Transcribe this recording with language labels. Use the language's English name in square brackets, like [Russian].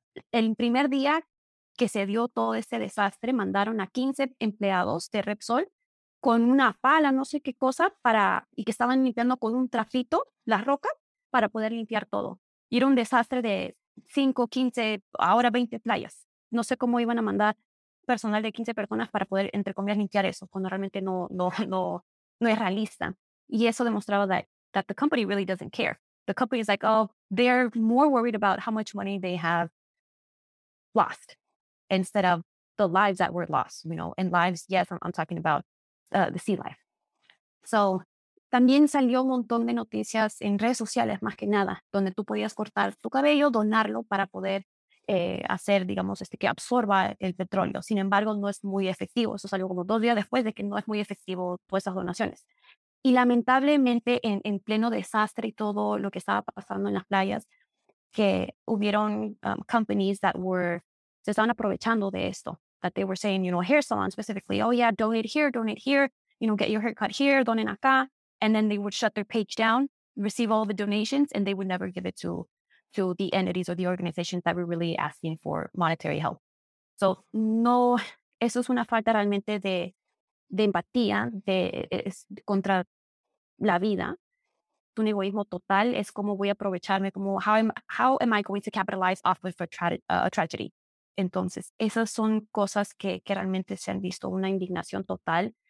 [Spanish] El primer día que se dio todo este desastre, mandaron a 15 empleados de Repsol con una pala, no sé qué cosa, para, y que estaban limpiando con un trafito la roca para poder limpiar todo. Y era un desastre de 5, 15, ahora 20 playas. No sé cómo iban a mandar personal de 15 personas para poder, entre comillas, limpiar eso, cuando realmente no es realista. Y eso demostraba [English] that the company really doesn't care. The company is like, oh, they're more worried about how much money they have lost instead of the lives that were lost, you know, and lives, yes, I'm talking about the sea life. [Spanish] So, también salió un montón de noticias en redes sociales, más que nada, donde tú podías cortar tu cabello, donarlo para poder hacer, digamos, que absorba el petróleo. Sin embargo, no es muy efectivo. Eso salió como 2 días después de que no es muy efectivo todas esas donaciones. Y lamentablemente, en pleno desastre y todo lo que estaba pasando en las playas, que hubieron [English] companies that were, [Spanish] se estaban aprovechando de esto, [English] that they were saying, you know, hair salon specifically, oh yeah, donate here, you know, get your haircut here, [Spanish] donen acá. [English] And then they would shut their page down, receive all the donations, and they would never give it to the entities or the organizations that were really asking for monetary help. [Spanish] So, no, eso es una falta realmente de empatía contra la vida. Un egoísmo total es como voy a aprovecharme, como [English] how am I going to capitalize off of a tragedy. [Spanish] Entonces, esas son cosas que realmente se han visto, una indignación total.